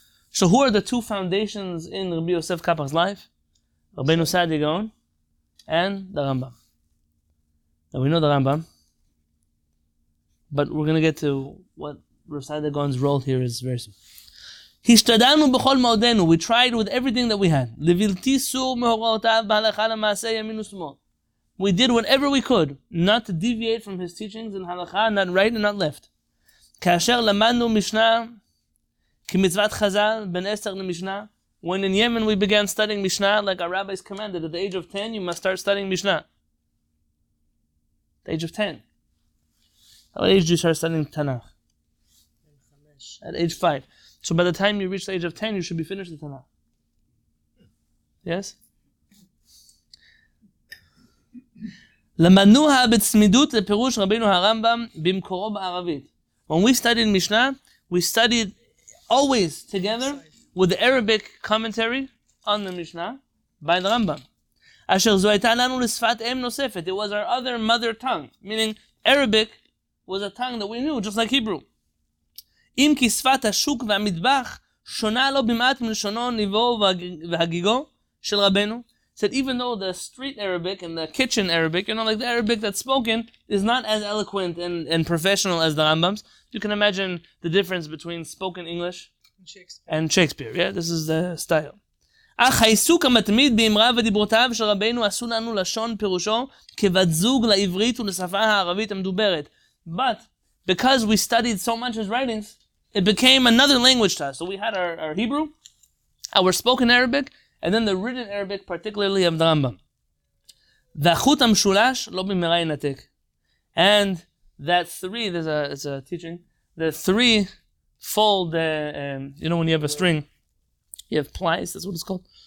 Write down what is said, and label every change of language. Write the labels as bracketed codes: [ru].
[en] So who are the two foundations in Rabbi Yosef Kapach's life? Rabbeinu Saadia Gaon and the Rambam. Now we know the Rambam, but we're going to get to what Rabbi Saadia Gaon's role here is very soon. [he] השתדלנו בכל מאודנו, [en] we tried with everything that we had. [he] לבלתי סור מהוראותיו בהלכה למעשה ימין ושמאל. [en] We did whatever we could, not to deviate from his teachings in halakha, not right and not left. [he] כאשר למדנו משנה, כמצוות חזל, בן עשר למשנה. [en] When in Yemen we began studying משנה, like our rabbis commanded, at the age of 10 you must start studying משנה. The age of 10. How old age do you start studying Tanakh? At age 5. So by the time you reach the age of 10, you should be finished the Tanakh. Yes? [he] למנוה בצמידות לפירוש רבינו הרמב״ם במקורו בערבית. [en] When we studied Mishnah, we studied always together with the Arabic commentary on the Mishnah by the Rambam. [he] אשר זו הייתה לנו לשפת אם נוספת. [en] It was our other mother tongue. Meaning Arabic was a tongue that we knew, just like Hebrew. [he] אם כי שפת השוק והמטבח שונה לא במעט מלשונו ניבו והגיגו של רבנו. [en] Said even though the street Arabic and the kitchen Arabic, you know, like the Arabic that's spoken, is not as eloquent and professional as the Rambam's. You can imagine the difference between spoken English and Shakespeare. Yeah, this is the style. [he] אך העיסוק המתמיד באמרה ודיברותיו של רבנו עשו לנו לשון פירושו כבת זוג לעברית ולשפה הערבית המדוברת. [en] But because we studied so much his writings, it became another language to us. So we had our Hebrew, our spoken Arabic, and then the written Arabic, particularly of the Rambam. [he] V'achut ha-mshulash lo b'mera yinatek. [en] And that three, it's a teaching, the three fold, you know, when you have a string, you have plies, that's what it's called.